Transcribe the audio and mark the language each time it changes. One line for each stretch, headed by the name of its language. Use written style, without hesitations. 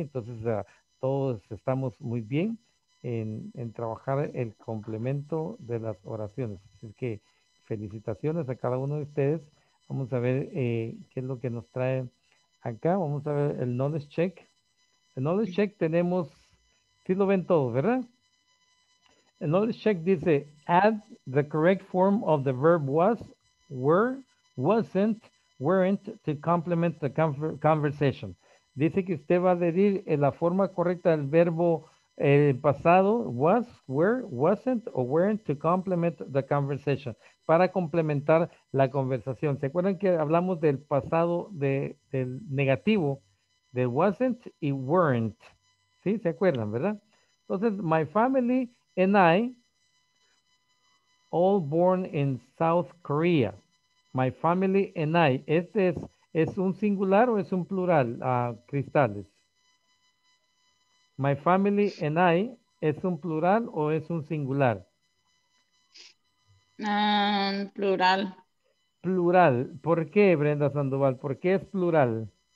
Spanish: Entonces todos estamos muy bien en trabajar el complemento de las oraciones. Así que felicitaciones a cada uno de ustedes. Vamos a ver qué es lo que nos trae acá. Vamos a ver el knowledge check. El knowledge check tenemos, si lo ven todos, ¿verdad? El knowledge check dice,
English: add the correct form of the verb was, were, wasn't, weren't to complement the conversation.
Spanish: Dice que usted va a decir la forma correcta del verbo pasado,
English: was, were, wasn't, or weren't to complement the conversation,
Spanish: para complementar la conversación. ¿Se acuerdan que hablamos del pasado del negativo, de wasn't y weren't? ¿Sí? ¿Se acuerdan, verdad?
English: Entonces, my family and I, all born in South Korea. My family and I.
Spanish: ¿Este es un singular o es un plural, Cristales?
English: My family and I,
Spanish: ¿es un plural o es un singular? Plural. Plural. ¿Por qué, Brenda Sandoval? ¿Por qué es plural?